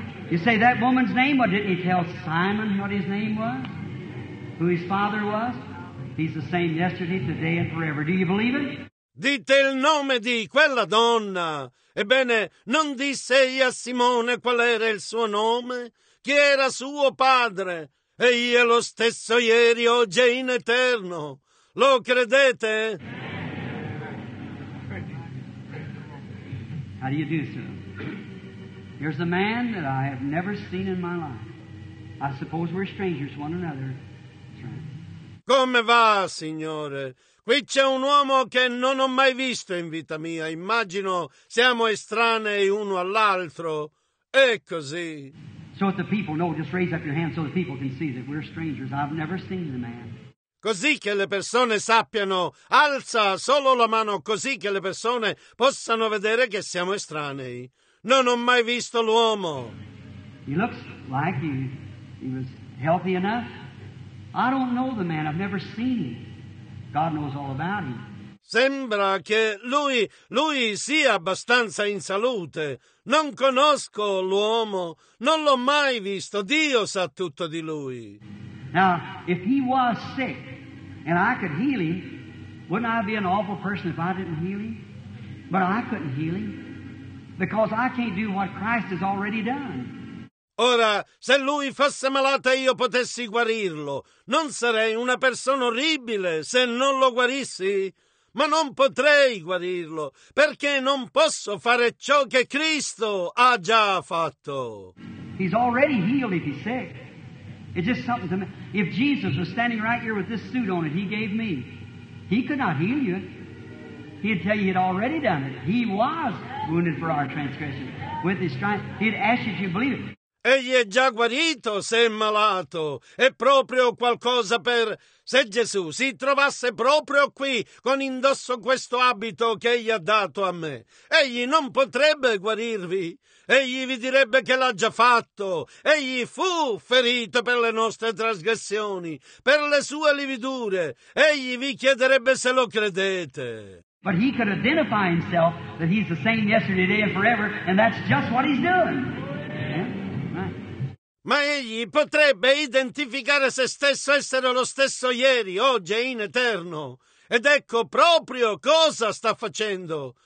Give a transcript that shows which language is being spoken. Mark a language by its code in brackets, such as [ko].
[en] You say that woman's name? Well, didn't he tell Simon what his name was? Who his father was? He's the same yesterday, today, and forever. Do you believe it? [it] Dite il nome di quella donna. Ebbene, non disse egli a Simone qual era il suo nome? Chi era suo padre? Egli è lo stesso ieri, oggi e in eterno. Lo credete? [en] How do you do, sir? Here's a man that I have never seen in my life. I suppose we're strangers to one another. [it] Come va, signore? Qui c'è un uomo che non ho mai visto in vita mia. Immagino siamo estranei uno all'altro. È così. [en] So if the people know, just raise up your hand so the people can see that we're strangers. I've never seen the man. [it] Così che le persone sappiano, alza solo la mano così che le persone possano vedere che siamo estranei. Non ho mai visto l'uomo. [en] He looks like he was healthy enough. I don't know the man, I've never seen him. God knows all about him. [it] Sembra che lui sia abbastanza in salute. Non conosco l'uomo, non l'ho mai visto. Dio sa tutto di lui. [en] Now, if he was sick and I could heal him, wouldn't I be an awful person if I didn't heal him? But I couldn't heal him because I can't do what Christ has already done. [it] Ora, se lui fosse malato e io potessi guarirlo, non sarei una persona orribile se non lo guarissi? Ma non potrei guarirlo perché non posso fare ciò che Cristo ha già fatto. [en] He's already healed if he's sick. It's just something to me. If Jesus was standing right here with this suit on it, he gave me, he could not heal you. He'd tell you he'd already done it. He was wounded for our transgression. With his stripes, he'd ask you if you believe it. [it] Egli è già guarito se è malato. È proprio qualcosa per... Se Gesù si trovasse proprio qui con indosso questo abito che egli ha dato a me, egli non potrebbe guarirvi. Egli vi direbbe che l'ha già fatto. Egli fu ferito per le nostre trasgressioni, per le sue lividure. Egli vi chiederebbe se lo credete. [en] But he could identify himself that he's the same yesterday, today and forever, and that's just what he's doing. [it] Ma egli potrebbe identificare se stesso essere lo stesso ieri, oggi e in eterno. Ed ecco proprio cosa sta facendo.